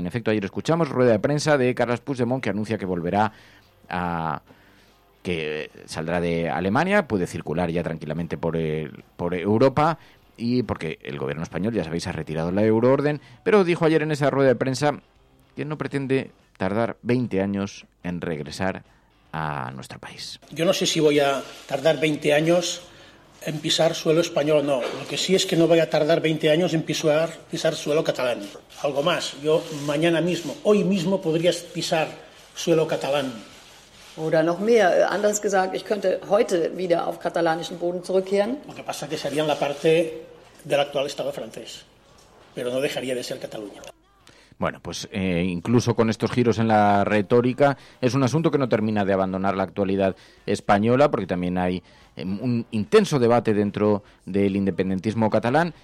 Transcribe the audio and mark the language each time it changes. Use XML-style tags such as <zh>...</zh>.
<es>En efecto, ayer escuchamos rueda de prensa de Carles Puigdemont que anuncia que volverá a que saldrá de Alemania, puede circular ya tranquilamente por Europa, y porque el gobierno español, ya sabéis, ha retirado la euroorden, pero dijo ayer en esa rueda de prensa que no pretende tardar 20 años en regresar a nuestro país. Yo no sé si voy a tardar 20 años en pisar suelo español o no. Lo que sí es que no voy a tardar 20 años en pisar suelo catalán. Algo más, yo mañana mismo, hoy mismo podrías pisar suelo catalán.</es> <de>Oder noch mehr, anders gesagt, ich könnte heute wieder auf katalanischen Boden zurückkehren.</de> <es>Lo que pasa es que sería la parte del actual Estado francés, pero no dejaría de ser Cataluña. Bueno, pues incluso con estos giros en la retórica, es un asunto que no termina de abandonar la actualidad española, porque también hay un intenso debate dentro del independentismo catalán.</es>